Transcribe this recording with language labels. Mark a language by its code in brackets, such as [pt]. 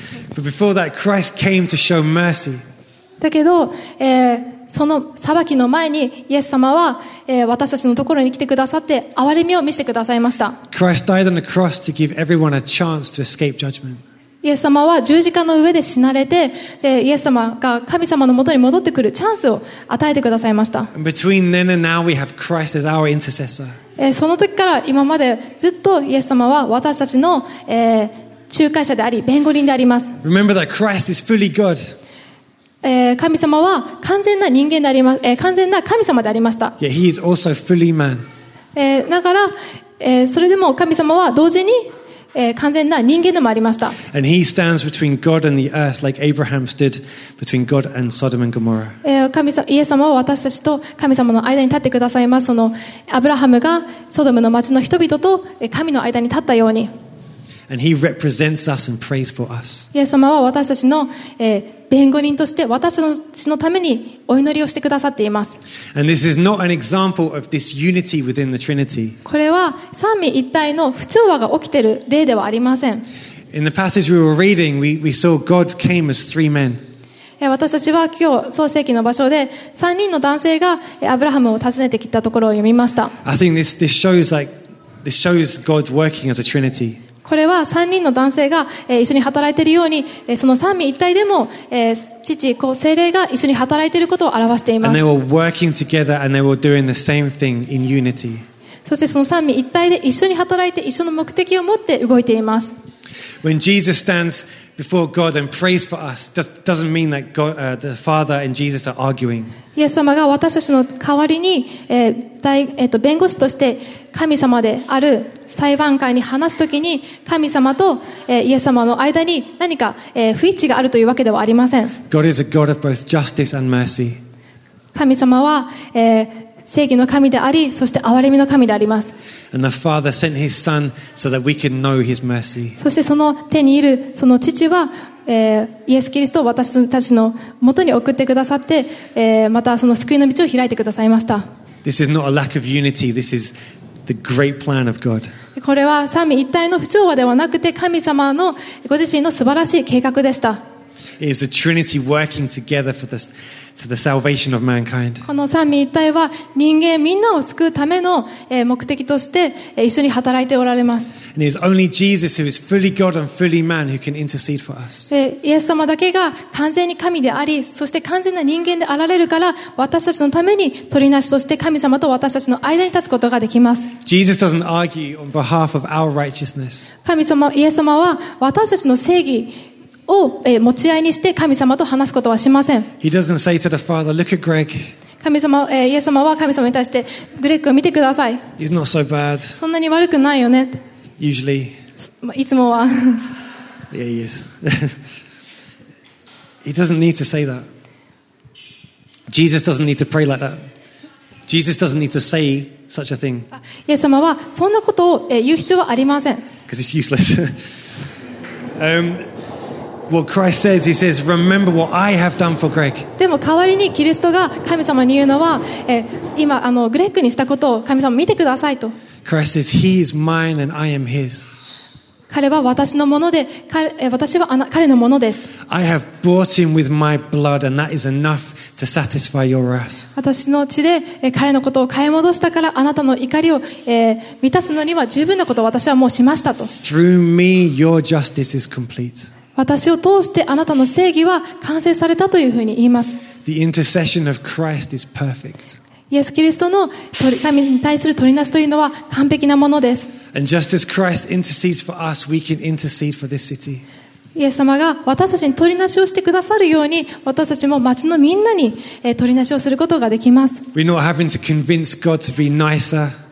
[en] But before that, Christ came to show mercy. [ja] だけど、その裁きの前にイエス様は、私たちのところに来てくださって憐れみを見せてくださいました。 [en] Christ died on the cross to give everyone a chance to escape judgment. [ja] イエス様は十字架の上で死なれて、でイエス様が神様のもとに戻ってくるチャンスを与えてくださいました。その時から今までずっとイエス様は私たちの、仲介者であり弁護人であります。 [en] Remember that Christ is fully God. [ja] 神様は完全な人間であります、完全な神様でありました。 [en] Yeah, he is also fully man. [ja] だから、それでも神様は同時に完全な人間でもありました。 [en] And he stands between God and the earth like Abraham stood between God and Sodom and Gomorrah. [ja] イエス様は私たちと神様の間に立ってくださいます。そのアブラハムがソドムの町の人々と神の間に立ったように。 [en] And he represents us and prays for us. [ja] イエス様は私たちの弁護人として私たちのためにお祈りをしてくださっています。 [en] And this is not an example of this unity within the Trinity. [ja] これは三位一体の不調和が起きている例ではありません。 [en] In the passage we were reading, we saw God came as three men. [ja] 私たちは今日創世記の場所で三人の男性がアブラハムを訪ねてきたところを読みました。 [en] I think this shows God working as a Trinity. [ja] これは三人の男性が一緒に働いているように、その三位一体でも父、子、聖霊が一緒に働いていることを表しています。 [en] And they were working together and they were doing the same thing in unity. [ja] そしてその三位一体で一緒に働いて一緒の目的を持って動いています。 [en] When Jesus stands before God and prays for us, doesn't mean that God, the Father and Jesus are arguing. [ja] イエス様が私たちの代わりに、弁護士として神様である裁判官に話すときに神様と、イエス様の間に何か、不一致があるというわけではありません。 [en] God is a God of both justice and mercy. [ja] 神様は、正義の神であり、そして憐れみの神であります。 [en] And the Father sent His Son so that we can know His mercy. [ja] そしてその手にいるその父は、イエス・キリストを私たちの元に送ってくださって、またその救いの道を開いてくださいました。 [en] This is not a lack of unity. This is the great plan of God. これは三位一体の不調和ではなくて、神様のご自身の素晴らしい計画でした。 It is the Trinity working together for this. To the salvation of mankind. [ja] この三位一体は人間みんなを救うための目的として一緒に働いておられます。 [en] And it is only Jesus who is fully God and fully man who can intercede for us. [ja] イエス様だけが完全に神であり、そして完全な人間であられるから、私たちのために取りなしとして神様と私たちの間に立つことができます。 [en] Jesus doesn't argue on behalf of our righteousness. [ja] 神様、イエス様は私たちの正義を持ち合いにして神様と話すことはしません。 [en] He doesn't say to the father, look at Greg. [ja] 神様、イエス様は神様に対して、グレッグを見てください。 [en] He's not so bad. [ja] そんなに悪くないよね。 [en] Usually. [ja] いつもは。 [en] Yeah, he is. He doesn't need to say that. Jesus doesn't need to pray like that. Jesus doesn't need to say such a thing. [ja] イエス様はそんなことを言う必要はありません。 [en] Because it's useless. What Christ says, he says, remember what I have done for Greg. [ja] でも代わりにキリストが神様に言うのは、今あのグレッグにしたことを神様見てくださいと。 [en] Christ says, he is mine and I am his. [ja] 彼は私のもので、私は彼のものです。 [en] I have bought him with my blood and that is enough to satisfy your wrath. [ja] 私の血で彼のことを買い戻したからあなたの怒りを満たすのには十分なことを私はもうしましたと。 [en] Through me, your justice is complete. [ja] 私を通してあなたの正義は完成されたというふうに言います。 [en] The intercession of Christ is perfect. [ja] イエス・キリストの神に対する取りなしというのは完璧なものです。 [en] And just as Christ intercedes for us, we can intercede for this city. [ja] イエス様が私たちに取りなしをしてくださるように、私たちも町のみんなに取りなしをすることができます。 [en] We're not having to convince God to be nicer.